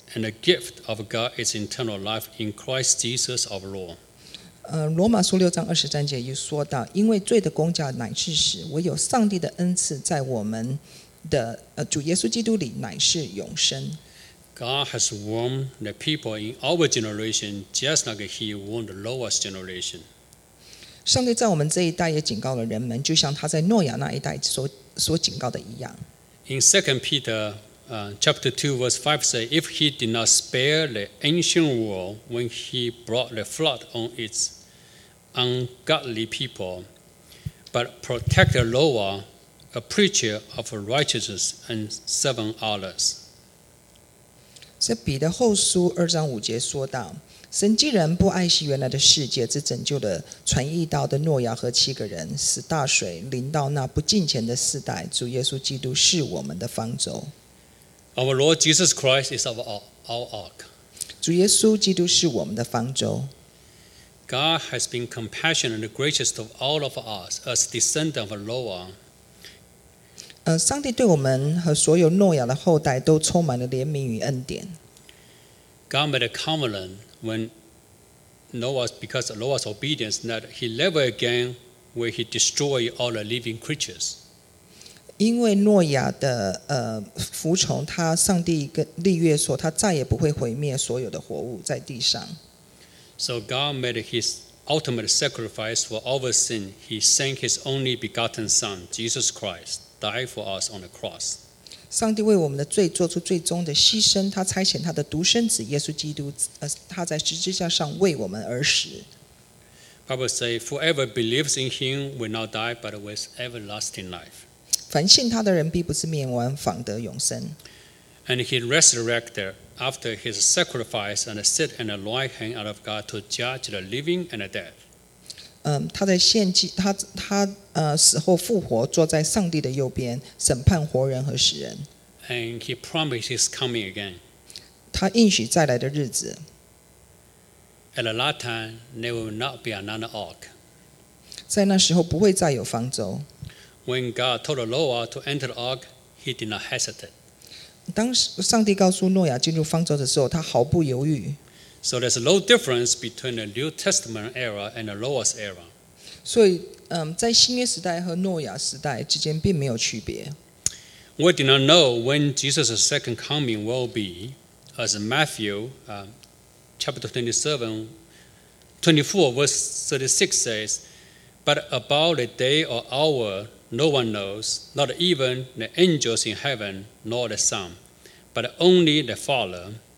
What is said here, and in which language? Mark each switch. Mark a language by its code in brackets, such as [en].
[en] And the gift of God is eternal life in Christ Jesus our Lord. [zh] 罗马书六章二十三节又说到，因为罪的工价乃是死，唯有上帝的恩赐在我们的主耶稣基督里乃是永生。 [en] God has warned the people in our generation just like He warned the lowest generation. [zh] 上帝在我们这一代也警告了人们，就像他在诺亚那一代所警告的一样。 [en] In Second Peter. chapter 2, verse 5 says, if he did not spare the ancient world when he brought the flood on its ungodly people, but protected Noah, a preacher of righteousness, and seven others. [zh] 这彼得后书2章5节说道，神既然不爱惜原来的世界，只拯救了传义道的诺亚和七个人，使大水临到那不敬虔的世代，主耶稣基督是我们的方舟。 [en] Our Lord Jesus Christ is our ark. [zh] 主耶稣基督是我们的方舟。 [en] God has been compassionate and gracious to all of us as descendants of Noah. [zh] 上帝对我们和所有诺亚的后代都充满了怜悯与恩典。 [en] God made a covenant. When Noah, because of Noah's obedience, that he never again will he destroy all the living creatures. [zh] 因为诺亚的服从他，上帝跟立约说，他再也不会毁灭所有的活物在地上。 [en] So God made his ultimate sacrifice for our sin. He sent his only begotten Son, Jesus Christ, die for us on the cross. [zh] 上帝为我们的罪做出最终的牺牲，他差遣他的独生子耶稣基督，他在十字架上为我们而死。 [en] Bible says, "Whoever believes in Him will not die, but will have everlasting life." [zh] 凡信他的人必不是灭亡，反得永生。 [en] And He resurrected after His sacrifice and sit in the right hand out of God to judge the living and the dead. [zh] 他的献祭，他死后复活，坐在上帝的右边，审判活人和死人。 [en] And he promised he's coming again. [zh] 他应许再来的日子。 [en] At that time, there will not be another ark. [zh] 在那时候不会再有方舟。 [en] When God told Noah to enter the ark, he did not hesitate. [zh] 当上帝告诉诺亚进入方舟的时候，他毫不犹豫。 [en] So there's no difference between the New Testament era and the Noah's era. [zh] 所以在新约时代和诺亚时代之间并没有区别。 [en] We do not know when Jesus' second coming will be, as Matthew chapter 24 verse 36 says, but about the day or hour, no one knows, not even the angels in heaven, nor the Son, but only the Father.